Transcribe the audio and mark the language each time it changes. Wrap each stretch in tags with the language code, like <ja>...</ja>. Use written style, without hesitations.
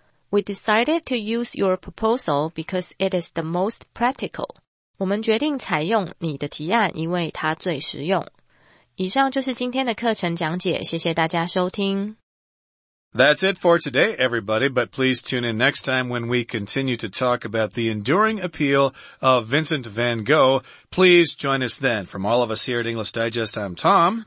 <en>We decided to use your proposal because it is the most practical.</en> <zh>我们决定采用你的提案因为它最实用。以上就是今天的课程讲解，谢谢大家收听。</zh> <en>That's it for today, everybody, but please tune in next time when we continue to talk about the enduring appeal of Vincent van Gogh. Please join us then. From all of us here at English Digest, I'm Tom.</en>